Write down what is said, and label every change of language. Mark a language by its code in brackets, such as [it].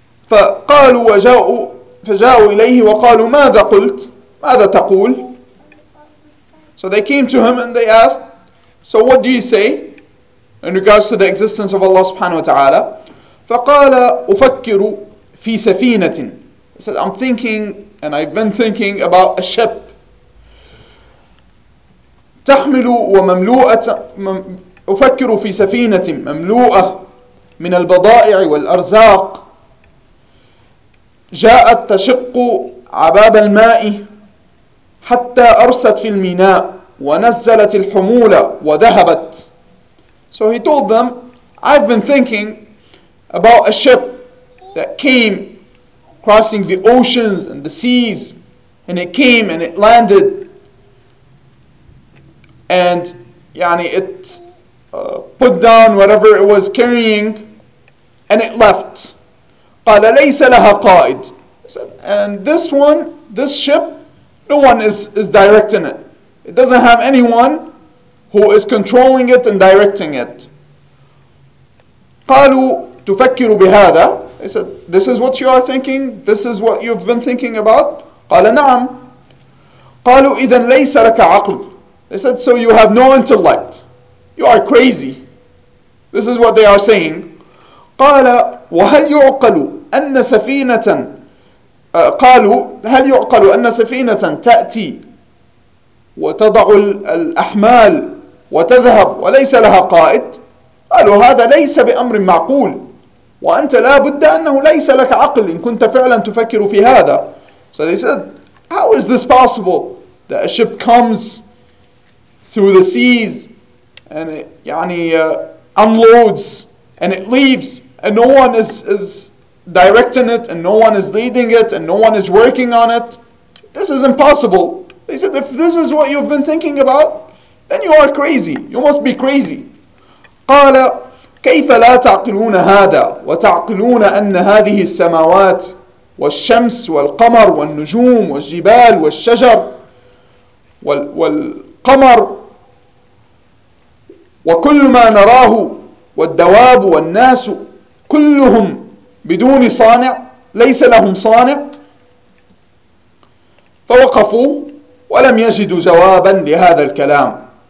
[ar] فقالوا فجاءوا إليه وقالوا ماذا قلت؟ ماذا تقول؟ [en] So they came to him and they asked, so what do you say in regards to the existence of Allah subhanahu wa ta'ala? [ar] فقال أفكر في سفينة. [en] He said, I'm thinking and I've been thinking about a ship. [ar] تحمل ومملوءة أفكر في سفينة مملوءة من البضائع والأرزاق جاءت تشق عباب الماء حتى أرست في الميناء ونزلت الحمولة وذهبت. [en] So he told them, I've been thinking about a ship that came crossing the oceans and the seas, and it came and it landed, and yani it put down whatever it was carrying and it left. [ar] قال ليس لها قائد. [en] And this one, this ship, no one is directing it. It doesn't have anyone who is controlling it and directing it. [ar] قالوا تفكر بهذا. [en] He said, this is what you are thinking? This is what you've been thinking about? [ar] قال نعم. قالوا إذن ليس لك عقل. [en] They said, so you have no intellect. You are crazy. This is what they are saying. [ar] قال وهل يعقل أن سفينة قالوا هل يعقل أن سفينة تأتي وتضع الأحمال وتذهب وليس لها قائد؟ قالوا هذا ليس بأمر معقول، وأنت لا بد أنه ليس لك عقل إن كنت فعلا تفكر في هذا. [en] So they said, how is this possible that a ship comes through the seas and it, يعني, unloads and it leaves and no one is directing it and no one is leading it and no one is working on it? This is impossible. They said, if this is what you've been thinking about, then you are crazy. You must be crazy. [ar] قال كيف لا تعقلون هذا وتعقلون أن هذه السماوات والشمس والقمر والنجوم والجبال والشجر والقمر وكل ما نراه والدواب والناس كلهم بدون صانع ليس لهم صانع؟ فوقفوا ولم يجدوا جوابا لهذا الكلام.